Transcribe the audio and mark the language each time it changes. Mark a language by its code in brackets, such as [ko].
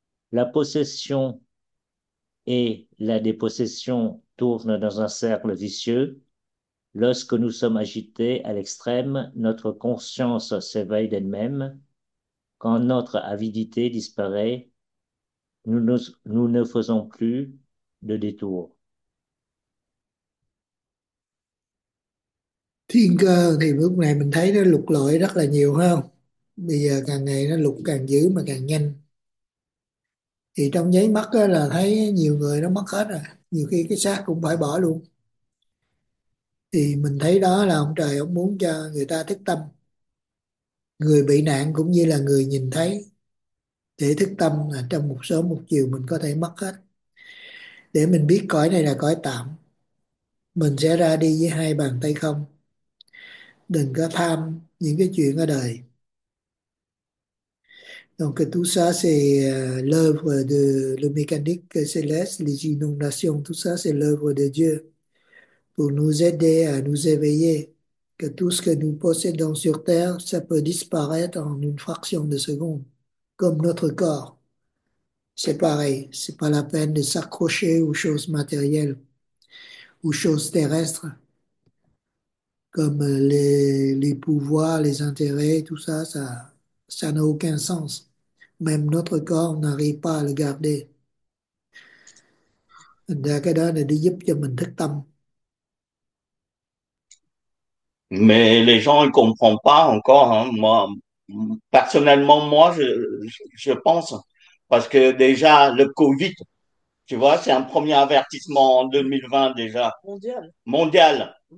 [fr] La possession et la dépossession tournent dans un cercle vicieux. Lorsque nous sommes agités à l'extrême, notre conscience s'éveille d'elle-même. Quand notre avidité disparaît, nous ne faisons plus de détours. [vi] Thiên cơ thì lúc này mình thấy nó lục lọi rất là nhiều không, bây giờ càng ngày nó lục càng dữ mà càng nhanh, thì trong nháy mắt đó là thấy nhiều người nó mất hết rồi, nhiều khi cái xác cũng phải bỏ luôn, thì mình thấy đó là ông trời ông muốn cho người ta thức tâm, người bị nạn cũng như là người nhìn thấy, để thức tâm là trong một sớm một chiều mình có thể mất hết, để mình biết cõi này là cõi tạm, mình sẽ ra đi với hai bàn tay không, đừng có tham những cái chuyện ở đời. [fr] Donc tout ça, c'est l'œuvre de la mécanique céleste, les inondations, tout ça, c'est l'œuvre de Dieu pour nous aider à nous éveiller, que tout ce que nous possédons sur Terre, ça peut disparaître en une fraction de seconde, comme notre corps. C'est pareil, c'est pas la peine de s'accrocher aux choses matérielles, aux choses terrestres, comme les pouvoirs, les intérêts, tout ça, ça n'a aucun sens. Même notre corps n'arrive pas à le garder. [vi] Đà cái đó là để giúp cho mình thức tâm. [fr] Mais les gens ne comprennent pas encore, hein. Moi, personnellement, moi, je pense, parce que déjà, le Covid, tu vois, c'est un premier avertissement en 2020 déjà, Mondial. mondial.